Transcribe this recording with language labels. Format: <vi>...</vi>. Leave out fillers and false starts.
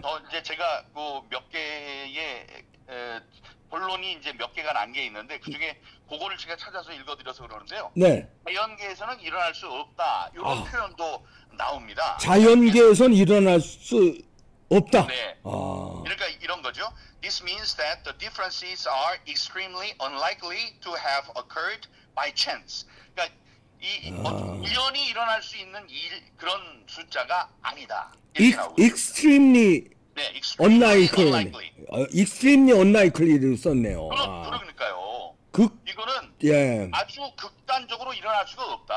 <ko>더 이제 제가 그 몇 개의 본론이 이제 몇 개가 난 게 있는데 그 중에 그거를 제가 찾아서 읽어드려서 그러는데요. 네. 자연계에서는 일어날 수 없다 이런 아. 표현도 나옵니다. 자연계에서는 일어날 수 없다. 네. 아. 그러니까 이런 거죠.</ko> <en>This means that the differences are extremely unlikely to have occurred by chance.</en> <ko>그러니까 이 우연히 일어날 수 있는 일 그런 숫자가 아니다.</ko> <en>Extremely</en> <ko>네,</ko> <en>extremely unlikely.</en> <ko>Extremely unlikely를 썼네요. 그러니까요. 극 이거는 예 아주 극단적으로 일어날 수가 없다.</ko>